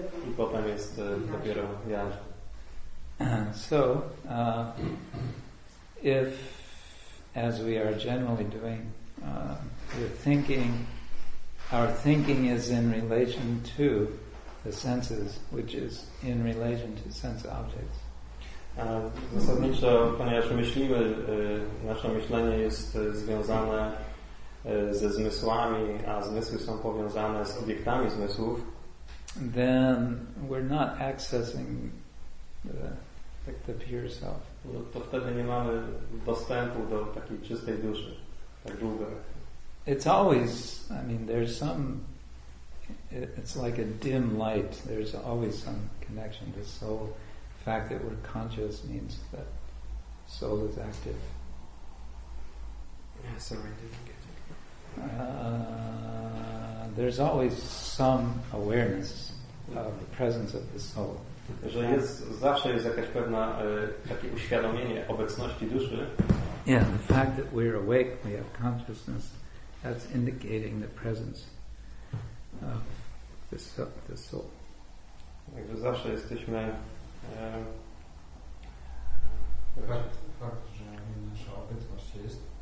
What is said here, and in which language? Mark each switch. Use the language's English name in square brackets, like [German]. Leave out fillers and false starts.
[Polish] I potem jest dopiero jaźń. [English] So, if, as we are generally doing, we're thinking, our thinking is in relation to the senses, which is in relation to sense objects. [Polish] Zasadniczo, ponieważ myślimy, nasze myślenie jest związane ze zmysłami, a zmysły są powiązane z obiektami zmysłów, [English] then we're not accessing the pure self. [Polish] No, to wtedy nie mamy dostępu do takiej czystej duszy, tak długo. [English] It's always, I mean, there's some, it's like a dim light. There's always some connection to soul. The fact that we're conscious means that soul is active. Yeah, sorry, I didn't get it. There's always some awareness of the presence of the soul. [Polish] Że jest, zawsze jest jakaś pewna takie uświadomienie obecności duszy. [English] Yeah, the fact that we're awake, we have consciousness, that's indicating the presence of the soul. [Polish] Także zawsze jesteśmy fakt, że nasza obecność jest.